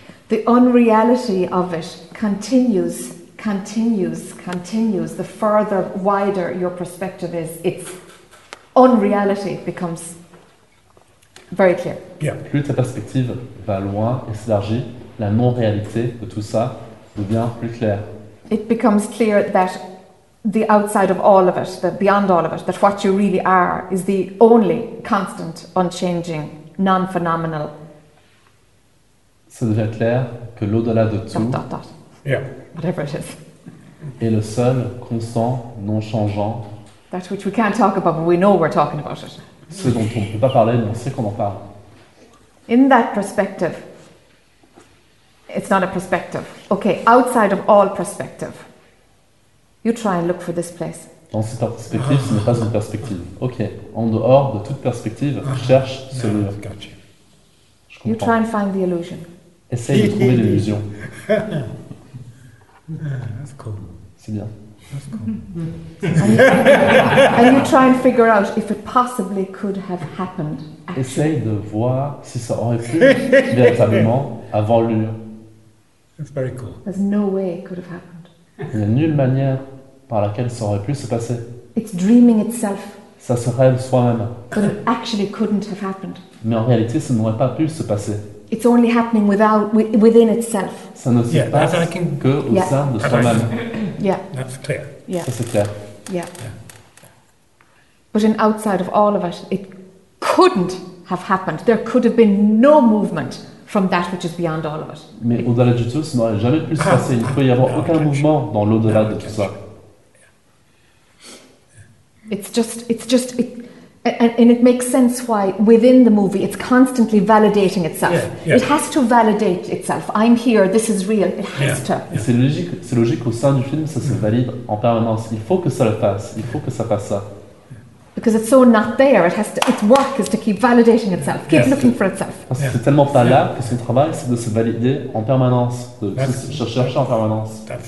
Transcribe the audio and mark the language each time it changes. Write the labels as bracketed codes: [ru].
[en] The unreality of it continues. Continues, the further wider your perspective is, its unreality becomes very clear. Yeah. [fr] Plus ta perspective va loin et s'élargit, la non-réalité de tout ça devient plus claire. [en] It becomes clear that the outside of all of it, the beyond all of it, that what you really are is the only constant, unchanging, non-phenomenal. [fr] Ça devient clair que l'au-delà de tout. [en] Dot, dot, dot. Yeah. Whatever it is. [fr] Et le seul constant non changeant. [en] That which we can't talk about, but we know we're talking about it. [fr] Ce dont on ne peut pas parler, mais on sait qu'on en parle. [en] In that perspective, it's not a perspective. Okay, outside of all perspective, you try and look for this place. [fr] Dans cette perspective, ce n'est pas une perspective. Okay, en dehors de toute perspective, cherche ce lieu. [en] Got you. [fr] Je comprends. [en] You try and find the illusion. [fr] Essaye de trouver l'illusion. [en] Yeah, that's cool. [fr] C'est bien. [en] That's cool. And you try and figure out if it possibly could have happened. Actually. [fr] Essaye de voir si ça aurait pu véritablement avoir lieu. [en] That's very cool. There's no way it could have happened. [fr] Il n'y a nulle manière par laquelle ça aurait pu se passer. [en] It's dreaming itself. [fr] Ça se rêve soi-même. [en] But it actually couldn't have happened. [fr] Mais en réalité, ça n'aurait pas pu se passer. [en] It's only happening without within itself. [fr] Ça ne se passe que au sein de soi-même. [en] Yeah. That's clear. Yeah. [fr] Ça, c'est clair. [en] Yeah. But in outside of all of it, it couldn't have happened. There could have been no movement from that which is beyond all of it. [fr] Mais au-delà de tout, ça n'aurait jamais pu se passer. Il ne peut y avoir aucun mouvement dans l'au-delà de tout ça. [en] It's just. And it makes sense why within the movie it's constantly validating itself. Yeah. It has to validate itself. I'm here, this is real. It has to. [fr] Et c'est logique qu'au sein du film ça se valide en permanence. Il faut que ça le fasse. Il faut que ça fasse ça. [en] Because it's so not there, its work is to keep validating itself, keep looking for itself. [fr] Parce que c'est tellement pas là que son travail c'est de se valider en permanence, de chercher en permanence.